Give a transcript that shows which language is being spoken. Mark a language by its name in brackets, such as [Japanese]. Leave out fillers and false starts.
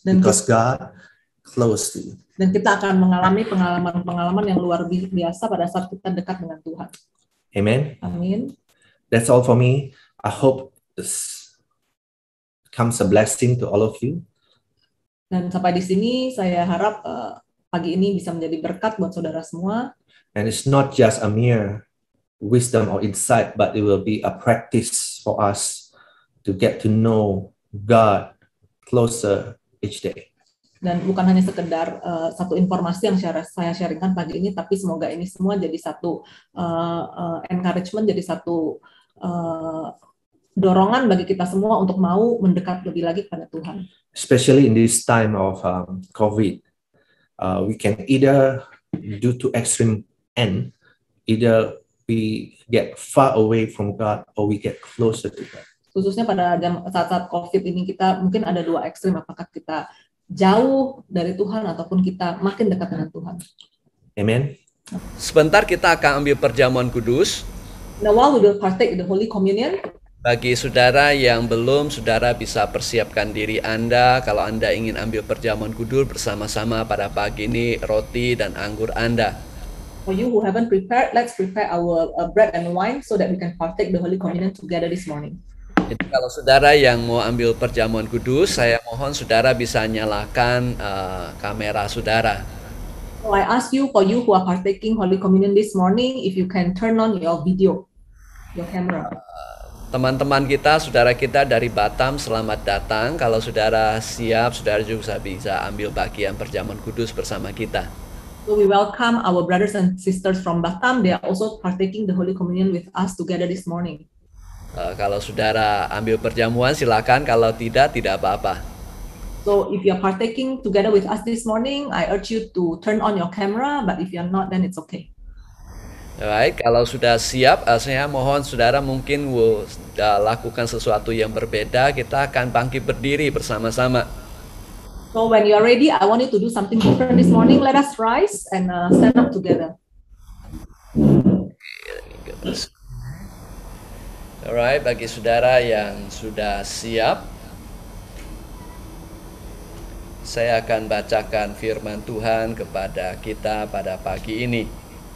[Indonesian] Dan [English] because [Indonesian] kita, [English] God close to you. [Indonesian] Dan kita akan mengalami pengalaman-pengalaman yang luar biasa pada saat kita dekat dengan Tuhan. [English] Amen. [Indonesian] Amin. [English] That's all for me. I hope this comes a blessing to all of you. [Indonesian] Dan sampai di sini, saya harap pagi ini bisa menjadi berkat buat saudara semua. [English] And it's not just a mere wisdom or insight, but it will be a practice for us to get to know God closer each day. [Indonesian] Dan bukan hanya sekedar satu informasi yang saya sharingkan pagi ini, tapi semoga ini semua jadi satu encouragement, jadi satu dorongan bagi kita semua untuk mau mendekat lebih lagi kepada Tuhan. [English] Especially in this time of COVID, we can either due to extreme end, either we get far away from God or we get closer to God. [Indonesian] Khususnya pada saat-saat COVID ini kita mungkin ada dua ekstrim, apakah kita jauh dari Tuhan ataupun kita makin dekat dengan Tuhan. Amen. Sebentar kita akan ambil perjamuan kudus. [English] Now while we will partake in the Holy Communion. [Indonesian] Bagi saudara yang belum, saudara bisa persiapkan diri Anda. Kalau Anda ingin ambil perjamuan kudus bersama-sama pada pagi ini, roti dan anggur Anda. [English] For you who haven't prepared, let's prepare our bread and wine so that we can partake the Holy Communion together this morning. [Indonesian] Jadi kalau saudara yang mau ambil perjamuan kudus, saya mohon saudara bisa nyalakan kamera saudara. [English] So I ask you, for you who are partaking Holy Communion this morning, if you can turn on your video, your camera. [Indonesian] Teman-teman kita, saudara kita dari Batam, selamat datang. Kalau saudara siap, saudara juga bisa ambil bagian perjamuan kudus bersama kita. [English] So we welcome our brothers and sisters from Batam. They are also partaking the Holy Communion with us together this morning. [Indonesian] Kalau saudara ambil perjamuan, silakan. Kalau tidak, tidak apa-apa. [English] So if you are partaking together with us this morning, I urge you to turn on your camera. But if you are not, then it's okay. [Indonesian] Baik, kalau sudah siap, saya mohon saudara mungkin sudah lakukan sesuatu yang berbeda. Kita akan bangkit berdiri bersama-sama. [English] So when you are ready, I want you to do something different this morning. Let us rise and stand up together. Alright, [Indonesian] bagi saudara yang sudah siap, saya akan bacakan firman Tuhan kepada kita pada pagi ini.